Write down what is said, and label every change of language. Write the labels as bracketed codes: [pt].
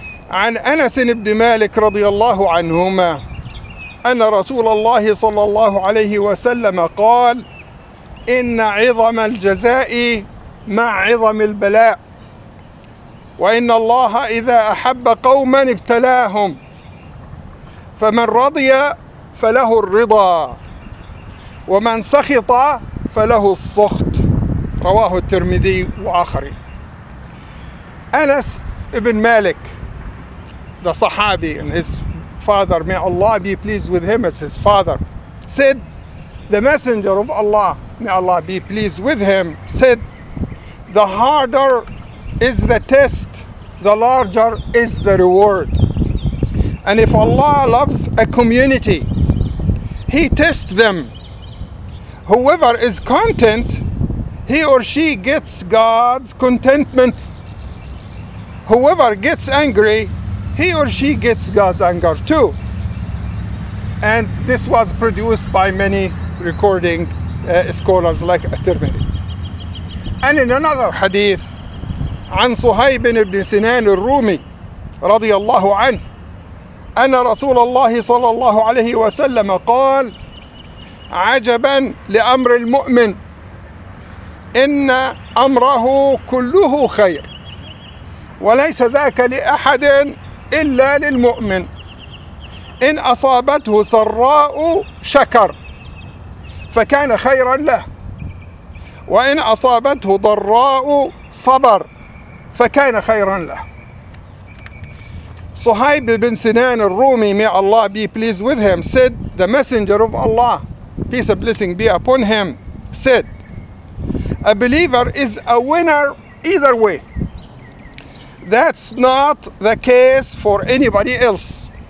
[ar] عن أنس بن مالك رضي الله عنهما أن رسول الله صلى الله عليه وسلم قال: إن عظم الجزاء مع عظم البلاء، وإن الله إذا أحب قوما ابتلاهم، فمن رضي فله الرضا ومن سخط فله السخط. رواه الترمذي وآخرين. [en] أنس بن مالك the صحابي and his father, may Allah be pleased with him as his father, said, the messenger of Allah, may Allah be pleased with him, said, the harder is the test, the larger is the reward. And if Allah loves a community, He tests them. Whoever is content, he or she gets God's contentment. Whoever gets angry, he or she gets God's anger too. And this was produced by many recording scholars like At-Tirmidhi. And in another hadith, [ar] عن صهيب بن سنان الرومي رضي الله عنه أن رسول الله صلى الله عليه وسلم قال: عجبا لأمر المؤمن، إن أمره كله خير، وليس ذاك لأحد إلا للمؤمن. إن أصابته سراء شكر فكان خيرا له، وإن أصابته ضراء صبر فكان خيرا له. [en] صهيب بن سنان الرومي، may Allah be pleased with him, said, the messenger of Allah, peace and blessing be upon him, said, a believer is a winner either way. That's not the case for anybody else.